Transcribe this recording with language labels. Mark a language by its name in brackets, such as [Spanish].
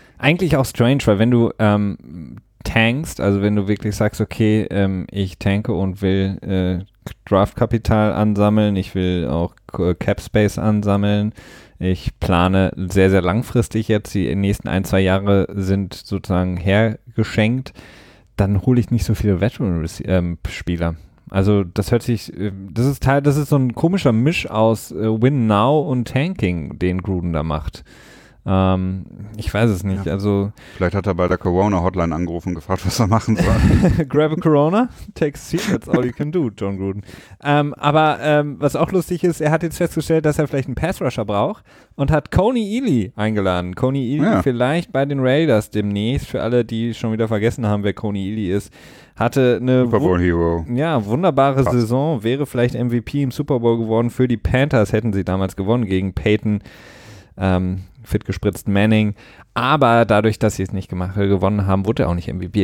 [German] eigentlich auch strange, weil wenn du tankst, also wenn du wirklich sagst, okay, ich tanke und will Draftkapital ansammeln, ich will auch Capspace ansammeln, ich plane sehr, sehr langfristig jetzt, die nächsten 1-2 Jahre sind sozusagen hergeschenkt, dann hole ich nicht so viele Veteran-Spieler. Also das hört sich, das ist so ein komischer Misch aus Win Now und Tanking, den Gruden da macht. Ich weiß es nicht. Ja. Also vielleicht hat er bei der Corona-Hotline angerufen und gefragt, was er machen soll. [English] Grab a Corona, take a seat, that's all you can do, John Gruden. [German] Aber was auch lustig ist, er hat jetzt festgestellt, dass er vielleicht einen Pass-Rusher braucht und hat Coney Ealy eingeladen. Coney Ealy vielleicht bei den Raiders demnächst, für alle, die schon wieder vergessen haben, wer Coney Ealy ist. Hatte eine [English] Super Bowl Hero. [German] Ja, wunderbare Krass. Saison, wäre vielleicht MVP im Super Bowl geworden. Für die Panthers hätten sie damals gewonnen gegen Peyton fit gespritzt Manning, aber dadurch, dass sie es nicht gewonnen haben, wurde er auch nicht MVP.